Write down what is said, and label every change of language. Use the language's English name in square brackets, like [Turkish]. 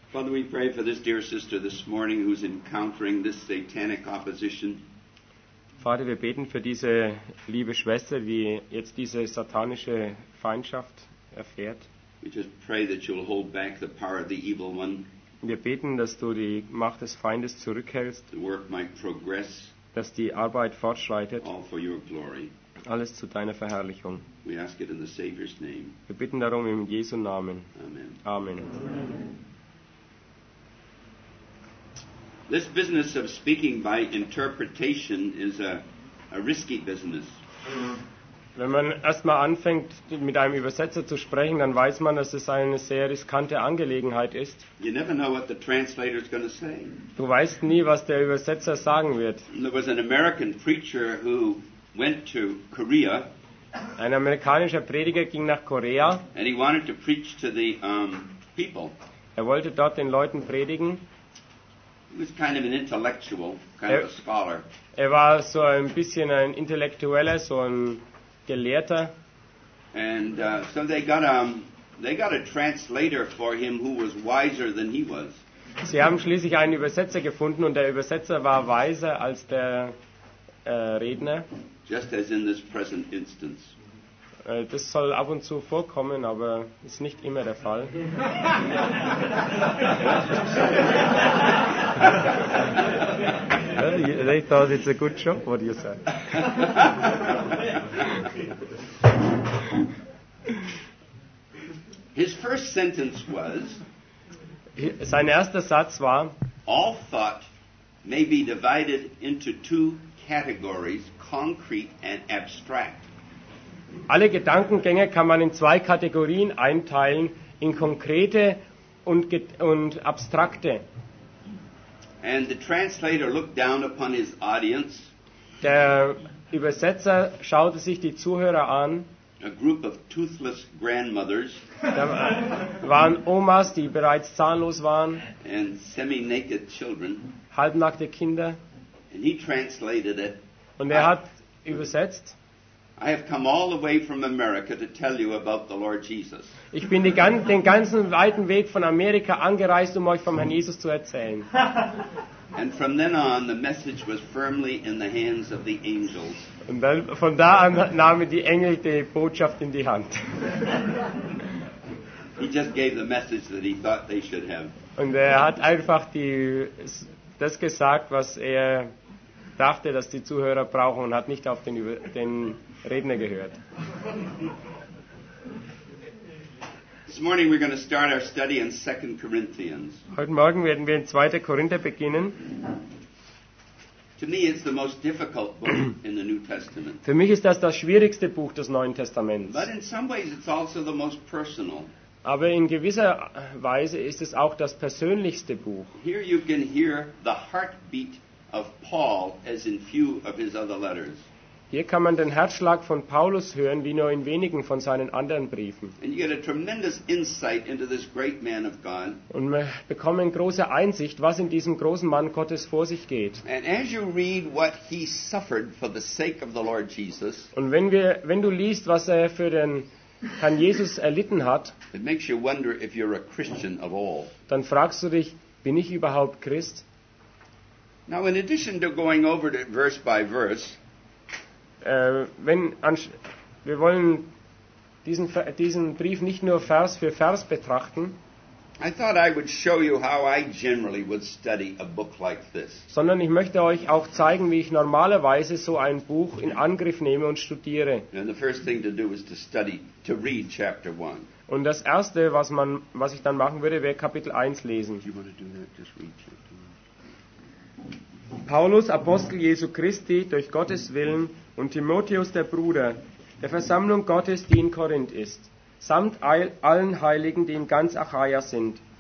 [English] Father, we pray for this dear sister this morning who's encountering this satanic opposition. [German] Vater, wir beten für diese liebe Schwester, die jetzt diese satanische Feindschaft erfährt. [English] We just pray that you'll hold back the power of the evil one. [German] Wir beten, dass du die Macht des Feindes zurückhältst. [English] The work might progress. [German] Dass die Arbeit fortschreitet. [English] All for your glory. [German] Alles zu deiner Verherrlichung. [English] We ask it in the Savior's name. [German] Wir bitten darum im Jesu Namen. [English] Amen. [German] Amen. [English] This business of speaking by interpretation is a risky business. [German] Wenn man erstmal anfängt, mit einem Übersetzer zu sprechen, dann weiß man, dass es eine sehr riskante Angelegenheit ist. [English] You never know what the translator is going to say. [German] Du weißt nie, was der Übersetzer sagen wird. [English] There was an American preacher who went to Korea. [German] Ein amerikanischer Prediger ging nach Korea. [English] And he wanted to preach to the people. [German] Er wollte dort den Leuten predigen. [English] He was kind of an intellectual, kind of a scholar. [German] Er war so ein bisschen ein Intellektueller, so ein Gelehrter. [English] And so they got a translator for him who was wiser than he was. [German] Sie haben schließlich einen Übersetzer gefunden und der Übersetzer war weiser als der Redner. [English] Just as in this present instance. [German] Das soll ab und zu vorkommen, aber ist nicht immer der Fall. [English] They thought it's a good job, what you said. His first sentence was, [German] sein erster Satz war, [English] all thought may be divided into two categories, concrete and abstract. [German] Alle Gedankengänge kann man in zwei Kategorien einteilen, in konkrete und abstrakte. [English] And the translator looked down upon his audience. [German] Der Übersetzer schaute sich die Zuhörer an. [English] A group of toothless grandmothers. [German] Da waren Omas, die bereits zahnlos waren. [English] And semi-naked children. [German] Halbnackte Kinder. [English] And he translated it. [German] Und er hat übersetzt. [English] I have come all the way from America to tell you about the Lord Jesus. [German] Ich bin den ganzen weiten Weg von Amerika angereist, um euch vom Herrn Jesus zu erzählen. [English] And from then on, the message was firmly in the hands of the angels. [German] Und dann, von da an nahmen die Engel die Botschaft in die Hand. [English] He just gave the message that he thought they should have. [German] Und er hat einfach das gesagt, was er dachte, dass die Zuhörer brauchen, und hat nicht auf den Redner gehört. [English] This morning we're going to start our study in 2 Corinthians. [German] Heute Morgen werden wir in 2. Korinther beginnen. [English] To me it's the most difficult book in the New Testament. [German] Für mich ist das schwierigste Buch des Neuen Testaments. [English] But in some ways it's also the most personal. [German] Aber in gewisser Weise ist es auch das persönlichste Buch. [English] Here you can hear the heartbeat of Paul as in few of his other letters. [German] Hier kann man den Herzschlag von Paulus hören, wie nur in wenigen von seinen anderen Briefen. [English] And you get a tremendous insight into this great man of God. [German] Und wir bekommen große Einsicht, was in diesem großen Mann Gottes vor sich geht. [English] And as you read what he suffered for the sake of the Lord Jesus. [German] Und wenn du liest, was er für den Herrn Jesus erlitten hat, [English] it makes you wonder if you're a Christian at all. [German] Dann fragst du dich, bin ich überhaupt Christ? [English] Now in addition to going over it verse by verse, [German] wir wollen diesen Brief nicht nur Vers für Vers betrachten, [English] I thought I would show you how I generally would study a book like this. [German] Sondern ich möchte euch auch zeigen, wie ich normalerweise so ein Buch in Angriff nehme und studiere. [English] And the first thing to do is to study, to read chapter 1. [German] Und das erste, was ich dann machen würde, wäre Kapitel 1 lesen. [English] Do you want to do that? Just read chapter 1. [German] Paulus, Apostel Jesu Christi, durch Gottes Willen, und Timotheus, der Bruder, der Versammlung Gottes, die in Korinth ist, samt allen Heiligen, die in ganz Achaia sind.